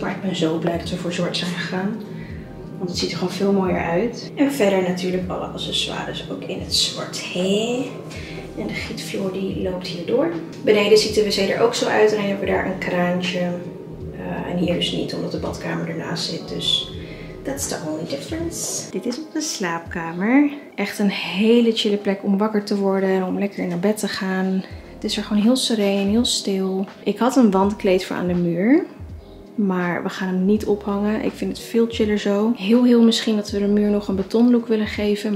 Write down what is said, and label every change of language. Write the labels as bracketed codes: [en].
[nl] Maar ik ben zo blij dat we voor zwart zijn gegaan, want het ziet er gewoon veel mooier uit. En verder natuurlijk alle accessoires ook in het zwart. Hey. En de gietvloer die loopt hierdoor. Beneden ziet de wc er ook zo uit en dan hebben we daar een kraantje. En hier dus niet, omdat de badkamer ernaast zit. Dus [en] that's the only difference. [nl] Dit is onze slaapkamer. Echt een hele chille plek om wakker te worden en om lekker naar bed te gaan. Het is er gewoon heel sereen, heel stil. Ik had een wandkleed voor aan de muur. Maar we gaan hem niet ophangen. Ik vind het veel chiller zo. Heel heel misschien dat we de muur nog een betonlook willen geven.